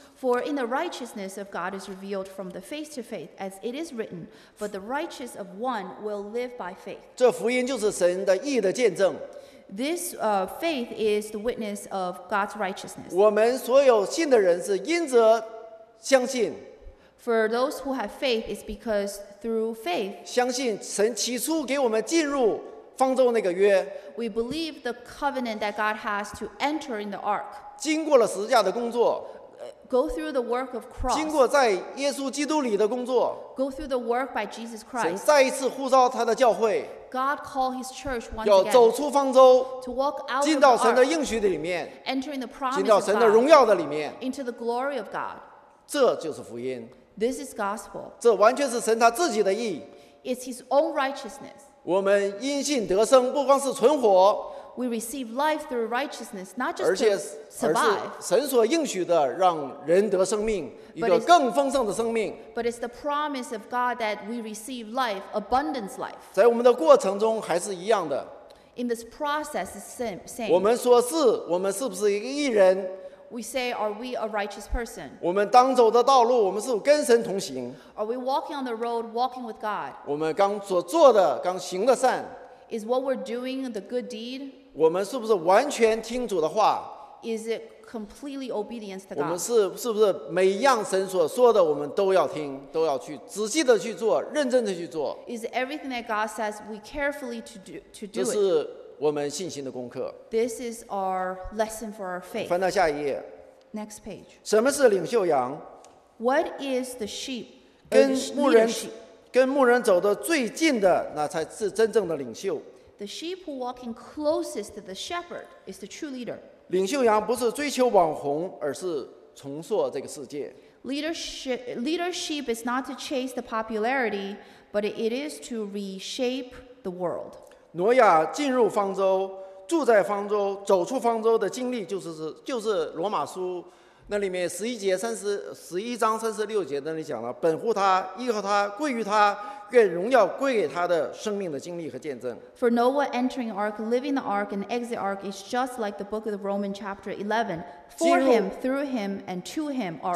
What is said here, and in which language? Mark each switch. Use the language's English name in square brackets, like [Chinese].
[English] For in the righteousness of God is revealed from the faith to faith, as it is written, but the righteous of one will live by faith. [Chinese] 这福音就是神的义的见证。 [English] This faith is the witness of God's righteousness. [Chinese] 我们所有信的人是因着相信。 [English] For those who have faith, it's because through faith. [Chinese] 相信神起初给我们进入方舟那个约。 [English] We believe the covenant that God has to enter in the ark. [Chinese] 经过了十字架的工作。 [English] Go through the work of cross. [Chinese] 经过在耶稣基督里的工作。 [English] Go through the work by Jesus Christ. [Chinese] 神再一次呼召他的教会。 [English] God called his church once again. [Chinese] 要走出方舟。 [English] To walk out of the ark. [Chinese] 进到神的应许里面。 [English] Entering the promise of God. [Chinese] 进到神的荣耀的里面。 [English] Into the glory of God. [Chinese] 这就是福音。 [English] This is gospel. [Chinese] 这完全是神他自己的义。 [English] It's his own righteousness. [Chinese] 我们因信得生，不光是存活。 [English] We receive life through righteousness, not just to survive. [Chinese] 而是神所应许的，让人得生命，一个更丰盛的生命。 [English] But it's the promise of God that we receive life, abundance life. [Chinese] 在我们的过程中还是一样的。 [English] In this process, it's same. [Chinese] 我们说是，我们是不是一个义人？ [English] We say, are we a righteous person? [Chinese] 我们当走的道路，我们是跟神同行。 [English] Are we walking on the road, walking with God? [Chinese] 我们刚所做的，刚行的善。 [English] Is what we're doing the good deed? [Chinese] 我们是不是完全听主的话？ [English] Is it completely obedience to God? [Chinese] 我们是不是每一样神所说的我们都要听，都要去仔细的去做，认真的去做？ [English] Is everything that God says we carefully to do it? [Chinese] 这是我们信心的功课。 [English] This is our lesson for our faith. [Chinese] 翻到下一页。 [English] Next page. [Chinese] 什么是领袖羊？ [English] What is the sheep? [Chinese] 跟牧人。跟牧人走得最近的，那才是真正的领袖。 [English] The sheep who walk in closest to the shepherd is the true leader. [Chinese] 领袖羊不是追求网红，而是重塑这个世界。 [English] Leadership is not to chase the popularity, but it is to reshape the world. [Chinese] 挪亚进入方舟，住在方舟，走出方舟的经历，就是罗马书。那里面十一章三十六节那里讲了，本乎他，依靠他，归于他，愿荣耀归给他的生命的经历和见证。 [English] For Noah entering the ark, living the ark, and exit ark is just like the book of Romans chapter 11. For him, through him, and to him are all things.